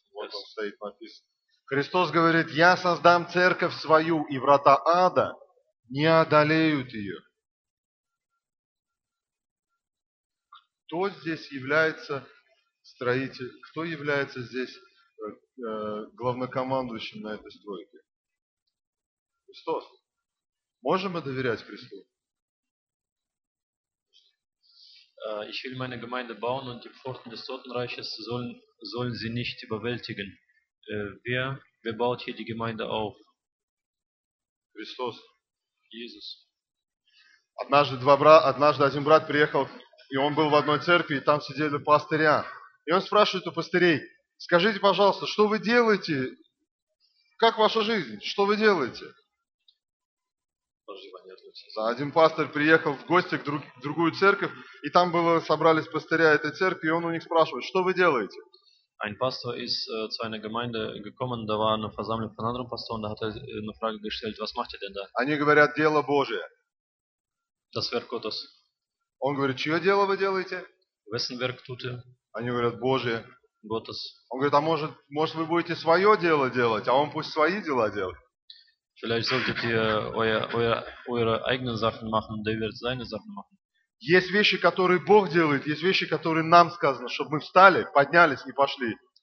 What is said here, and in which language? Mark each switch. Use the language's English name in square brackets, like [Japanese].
[Russian] Вот он стоит написан. Христос говорит, я создам церковь свою, и врата ада не одолеют ее. Кто здесь является строитель, кто является здесь главнокомандующим на этой стройке? Христос. Можем мы доверять Христу? [German] Ich will meine Gemeinde bauen und die Pforten des Totenreiches sollen sie nicht überwältigen. Wer baut hier die Gemeinde auf? [Russian] Христос. [German] Jesus. [Russian] Однажды один брат приехал, и он был в одной церкви, и там сидели пастыря. И он спрашивает у пастырей, скажите, пожалуйста, что вы делаете? Как ваша жизнь? Что вы делаете? Один пастор приехал в гости к другую церковь, и там собрались пастыря этой церкви, и он у них спрашивает, что вы делаете? [German] Ein Pastor ist zu einer Gemeinde gekommen, da war eine Versammlung von anderen Pastoren, da hat eine Frage gestellt, was macht ihr denn da? [Russian] Они говорят, дело Божие. [German] Das Werk Gottes. [Russian] Он говорит, чье дело вы делаете? [German] Wessen Werk tut ihr? [Russian] Они говорят, Божие. [German] Gottes. [Russian] Он говорит, а может вы будете свое дело делать, а он пусть свои дела делает. [German] Vielleicht solltet ihr eure eigenen Sachen machen, der wird seine Sachen machen. [Russian] Есть вещи, которые Бог делает, есть вещи, которые нам сказано, чтобы мы встали, поднялись и пошли.